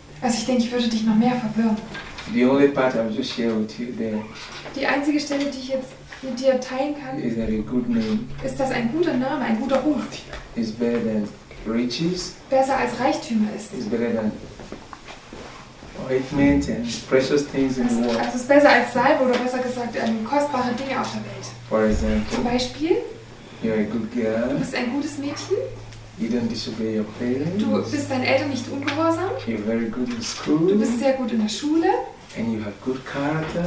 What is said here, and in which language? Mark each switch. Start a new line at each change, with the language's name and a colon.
German: Also, ich denke, ich würde dich noch mehr verwirren.
English: The only part I've just shared with you there,
German: die einzige Stelle, die ich jetzt mit dir teilen kann,
English: is that a good name,
German: ist, dass ein guter Name, ein guter Ruf,
English: is better than riches,
German: besser als Reichtümer ist.
English: Is better than ointment and precious things in the world.
German: Also, es ist besser als Salbe oder besser gesagt, kostbare Dinge auf der Welt.
English: For example,
German: zum Beispiel,
English: you're a good girl,
German: du bist ein gutes Mädchen.
English: You don't disobey your parents.
German: Du bist deinen Eltern nicht ungehorsam.
English: You're very good in school.
German: Du bist sehr gut in der Schule.
English: And you have good character.